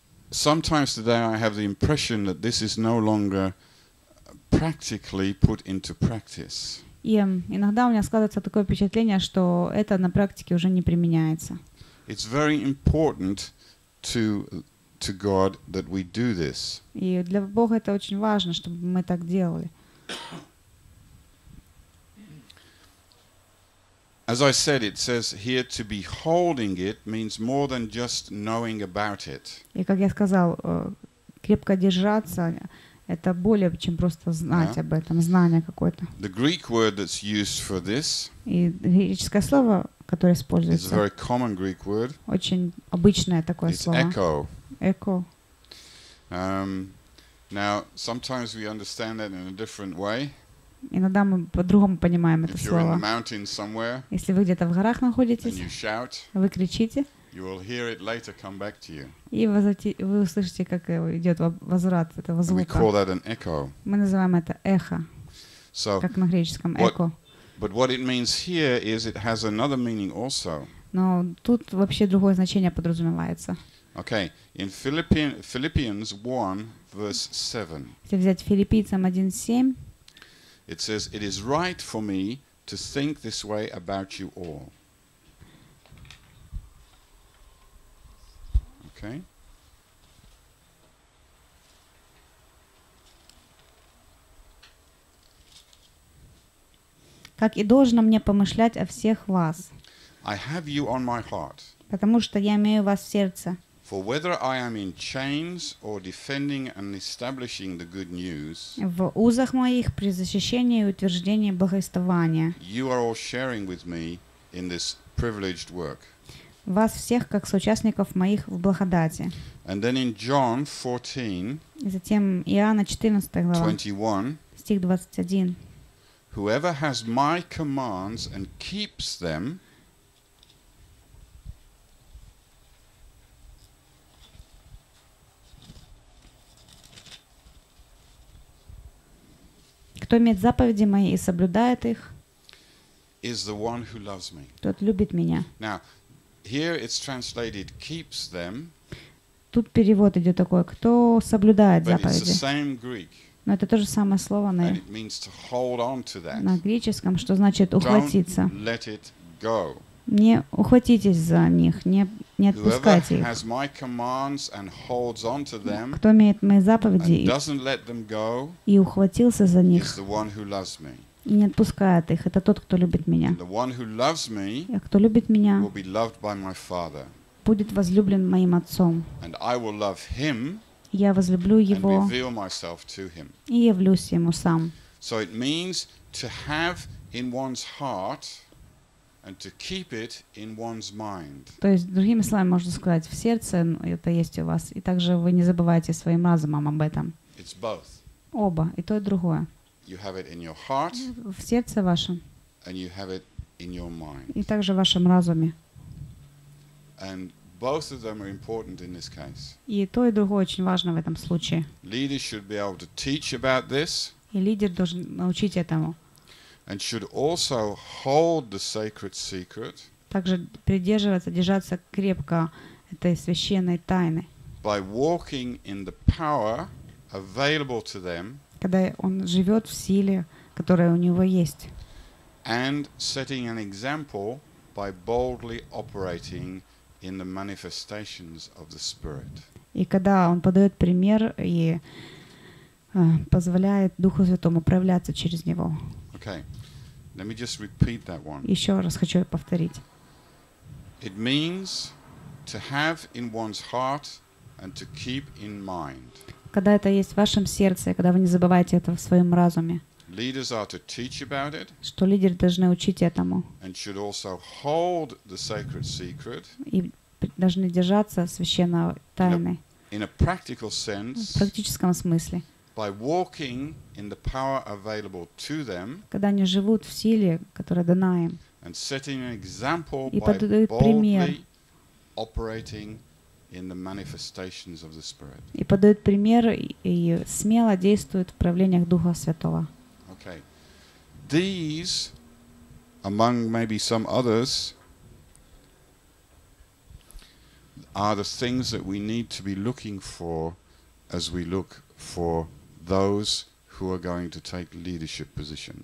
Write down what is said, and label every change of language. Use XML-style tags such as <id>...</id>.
<en>Sometimes today I have the impression that this is no longer practically put into practice.</en> <ru>И иногда у меня складывается такое впечатление, что это на практике уже не применяется.</ru> <en>It's very important to God that we do this.</en> <ru>И для Бога это очень важно, чтобы мы так делали.</ru> <en>As I said, it says here to be holding it means more than just knowing about it.</en> <ru>И как я сказал, крепко держаться это более чем просто знать об этом, знание какое-то.</ru> <en>The Greek word that's used for this.</en> <ru>И греческое слово, которое используется.</ru> <en>It's a very common Greek word.</en> <ru>Очень обычное такое</ru> <en>it's</en> <ru>слово.</ru> <en>Echo. Echo. Now, sometimes we understand that in a different way.</en> <ru>Иногда мы по-другому понимаем</ru> <en>if</en> <ru>это слово.</ru> <en>In a mountain somewhere,</en> <ru>если вы где-то в горах находитесь,</ru> <en>and you shout,</en> <ru>вы кричите,</ru> <en>you will hear it later come back to you.</en> <ru>И вы услышите, как идет возврат этого звука.</ru> <en>And we call that an echo.</en> <ru>Мы называем это эхо,</ru> <en>so,</en> <ru>как на греческом эхо.</ru> <en>But what it means here is it has another meaning also.</en> <ru>Но тут вообще другое значение подразумевается.</ru> <en>Okay, in Philippians 1, verse 7.</en> <ru>Если взять Филиппийцам 1:7.</ru> <en>It says, "It is right for me to think this way about you all." Okay.</en> <ru>Как и должно мне помышлять о всех вас.</ru> <en>I have you on my heart.</en> <ru>Потому что я имею вас в сердце.</ru> <en>For whether I am in chains or defending and establishing the good news,</en> <ru>в узах моих при защищении и утверждении благовествования,</ru> <en>you are all sharing with me in this privileged work.</en> <ru>Вас всех как соучастников моих в благодати.</ru> <en>And then in John 14,</en> <ru>затем Иоанна 14 глава,</ru> <en>21,</en> <ru>стих 21,</ru> <en>whoever has my commands and keeps them.</en> <ru>Кто имеет заповеди мои и соблюдает их,</ru> <en>is the one who loves me.</en> <ru>Тот любит меня.</ru> <en>Now, here it's translated keeps them.</en> <ru>Тут перевод идет такой: кто соблюдает заповеди.</ru> <en>But it's the same Greek.</en> <ru>Но это то же самое слово на,</ru> <en>and it means to hold on to that.</en> <ru>На греческом, что значит ухватиться.</ru> <en>Don't let it go.</en> <ru>Не ухватитесь за них, не отпускайте их.</ru> <en>Whoever has my commands and holds on to them,</en> <ru>кто имеет мои заповеди</ru> <en>and doesn't let them go,</en> <ru>и ухватился за них,</ru> <en>is the one who loves me.</en> <ru>И не отпускает их, это тот, кто любит меня.</ru> <en>And the one who loves me,</en> <ru>а кто любит меня,</ru> <en>will be loved by my Father.</en> <ru>Будет возлюблен моим Отцом.</ru> <en>And I will love him,</en> <ru>я возлюблю его</ru> <en>and reveal myself to him.</en> <ru>И явлюсь ему сам.</ru> <en>So it means to have in one's heart and to keep it in one's mind.</en> <ru>То есть другими словами можно сказать, в сердце это есть у вас, и также вы не забывайте своим разумом об этом.</ru> <en>It's both.</en> <ru>Оба, и то и другое.</ru> <en>You have it in your heart.</en> <ru>В сердце вашем.</ru> <en>And you have it in your mind.</en> <ru>И также в вашем разуме.</ru> <en>And both of them are important in this case.</en> <ru>И то и другое очень важно в этом случае.</ru> <en>Leaders should be able to teach about this.</en> <ru>И лидер должен научить этому.</ru> <en>And should also hold the sacred secret.</en> <ru>Также придерживаться, держаться крепко этой священной тайны.</ru> <en>By walking in the power available to them.</en> <ru>Когда он живет в силе, которая у него есть.</ru> <en>And setting an example by boldly operating in the manifestations of the Spirit.</en> <ru>И когда он подает пример и позволяет Духу Святому проявляться через него.</ru> <en>Okay. Let me just repeat that one.</en> <ru>Еще раз хочу повторить.</ru> <en>It means to have in one's heart and to keep in mind.</en> <ru>когда это есть в вашем сердце, когда вы не забываете это в своем разуме.</ru> <en>Leaders are to teach about it.</en> <ru>Что лидеры должны учить этому.</ru> <en>And should also hold the sacred secret.</en> <ru>И должны держаться священной тайны.</ru> <en>In a practical sense.</en> <ru>В практическом смысле.</ru> <en>By walking in the power available to them. Когда они живут в силе, которая дана им. And setting an example by boldly operating in the manifestations of the Spirit.</en> <ru>И подают пример и смело действуют в проявлениях Духа Святого.</ru> <en>Okay. These, among maybe some others, are the things that we need to be looking for as we look for those who are going to take leadership positions.</en>